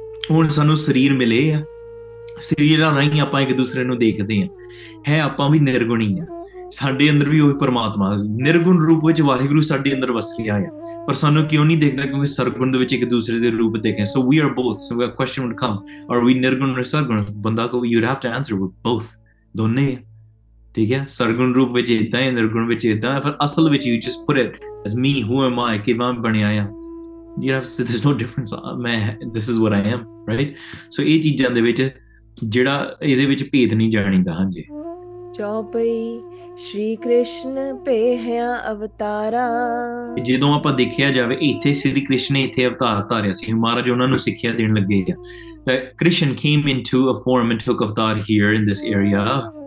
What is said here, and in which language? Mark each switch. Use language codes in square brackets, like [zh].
[pa] ਹੁਣ ਸਾਨੂੰ ਸਰੀਰ ਮਿਲੇ ਆ, ਸਰੀਰਾਂ ਰਾਹੀਂ ਆਪਾਂ ਇੱਕ ਦੂਸਰੇ ਨੂੰ ਦੇਖਦੇ ਹਾਂ, ਹੈ ਆਪਾਂ ਵੀ ਨਿਰਗੁਣੀ ਆ, ਸਾਡੇ ਅੰਦਰ ਵੀ ਉਹੀ ਪਰਮਾਤਮਾ ਨਿਰਗੁਣ ਰੂਪ ਵਿੱਚ ਵਾਹਿਗੁਰੂ ਸਾਡੇ ਅੰਦਰ ਵਸ ਰਿਹਾ ਆ, ਪਰ ਸਾਨੂੰ ਕਿਉਂ ਨਹੀਂ ਦੇਖਦਾ? ਕਿਉਂਕਿ ਸਰਗੁਣ ਦੇ ਵਿੱਚ ਇੱਕ ਦੂਸਰੇ ਦੇ ਰੂਪ ਦੇਖੇ. [en] So we are both. So question would come, are we [pa] ਨਿਰਗੁਣ ਔਰ ਸਰਗੁਣ? ਬੰਦਾ ਕਹੋ, [en] you have to answer both, [pa] ਦੋਨੇ ਆ. ਠੀਕ ਹੈ? ਸਰਗੁਣ ਰੂਪ ਵਿੱਚ ਇੱਦਾਂ ਹੈ, ਨਿਰਗੁਣ ਵਿੱਚ ਇੱਦਾਂ ਹੈ, ਪਰ ਅਸਲ ਵਿੱਚ [en] you just put it as me, who am I, [pa] ਕਿਵੇਂ ਬਣਿਆ ਆ. [en] You have to say, there's no difference. Main, this is what I am, right? [pa] So, ਇਹ ਚੀਜ਼ਾਂ ਦੇ ਵਿੱਚ ਜਿਹੜਾ ਇਹਦੇ ਵਿੱਚ ਭੇਦ ਨਹੀਂ ਜਾਣੀਦਾ. ਹਾਂਜੀ. ਚੌਪਈ ਸ਼੍ਰੀ ਕ੍ਰਿਸ਼ਨ ਪੇਹਿਆ ਅਵਤਾਰਾ. ਜਦੋਂ ਆਪਾਂ ਦੇਖਿਆ ਜਾਵੇ, ਇੱਥੇ ਸ਼੍ਰੀ ਕ੍ਰਿਸ਼ਨ ਨੇ ਇੱਥੇ ਅਵਤਾਰ ਧਾਰਿਆ ਸੀ, ਮਹਾਰਾਜ ਉਹਨਾਂ ਨੂੰ ਸਿੱਖਿਆ ਦੇਣ ਲੱਗੇ ਆ. [en] ਤਾਂ Krishna came into a form and took avatar here in this area.